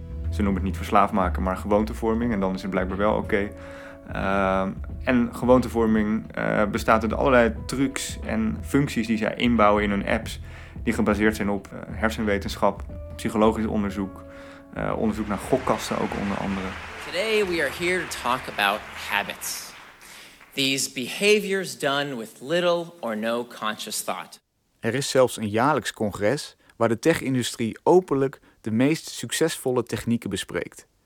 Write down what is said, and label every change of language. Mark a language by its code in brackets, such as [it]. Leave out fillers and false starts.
[nl] Ze noemen het niet verslaafd maken, maar gewoontevorming. En dan is het blijkbaar wel oké. En gewoontevorming bestaat uit allerlei trucs en functies die zij inbouwen in hun apps, die gebaseerd zijn op hersenwetenschap, psychologisch onderzoek, onderzoek naar gokkasten ook onder andere. [en] Today we are here to talk about habits. These behaviors done with little or no conscious thought. [nl] Er is zelfs een jaarlijks congres waar de tech-industrie openlijk de meest succesvolle technieken bespreekt.